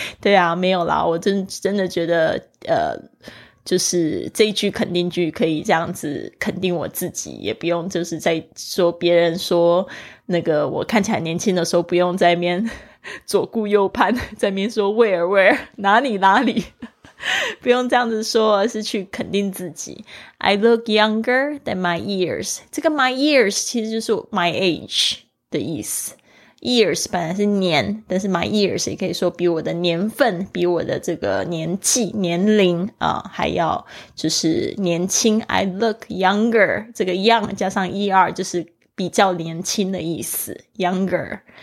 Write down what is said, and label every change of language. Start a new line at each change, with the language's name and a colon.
Chinese: 对啊，没有啦，我真的觉得就是这一句肯定句可以这样子肯定我自己，也不用就是在说别人说那个我看起来年轻的时候，不用在那边左顾右盼，在那边说 where 哪里哪里，不用这样子说，而是去肯定自己。
English: I look younger than my years，
Chinese: 这个 my years 其实就是 my age 的意思。 Years 本来是年，但是 my years 也可以说比我的年份，比我的这个年纪年龄还要就是年轻。
English: I look younger，
Chinese: 这个 young 加上 er 就是比较年轻的意思， younger。